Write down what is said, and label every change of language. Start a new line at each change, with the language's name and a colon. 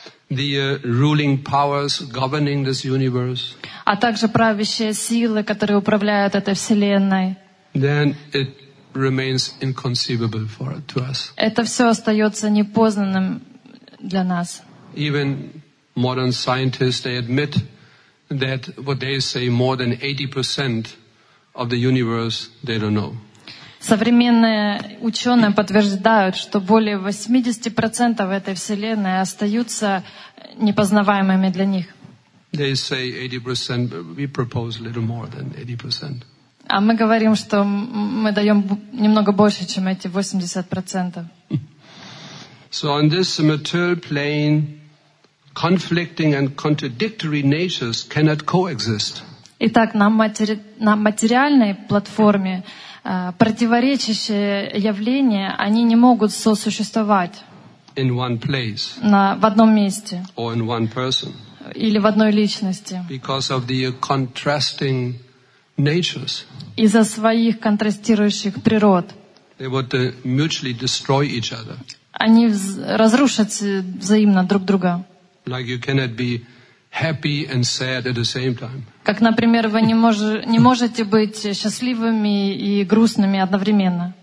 English: The ruling powers governing this universe.
Russian: А также правящие силы, которые управляют этой вселенной.
English: Then it remains inconceivable for to us.
Russian: Это все остается непознанным для нас.
English: even modern scientists, they admit that what they say, more than 80% of the universe, they don't know.
Russian: Современные ученые подтверждают, что более 80% этой вселенной остаются непознаваемыми для них.
English: They say 80%, but we propose a little more than 80%.
Russian: А мы говорим, что мы даем немного больше, чем эти 80%.
English: So on this material plane, conflicting and contradictory natures cannot coexist.
Russian: Итак, на материальной платформе противоречащие явления, они не могут сосуществовать.
English: In one place.
Russian: В одном месте.
English: Or in one person.
Russian: Или в одной личности.
English: Because of the contrasting natures.
Russian: Из-за своих контрастирующих природ.
English: They would mutually destroy each other.
Russian: Они разрушат взаимно друг друга.
English: Like you cannot be happy and sad at the same time.
Russian: Как, например, вы не можете быть счастливыми и грустными одновременно.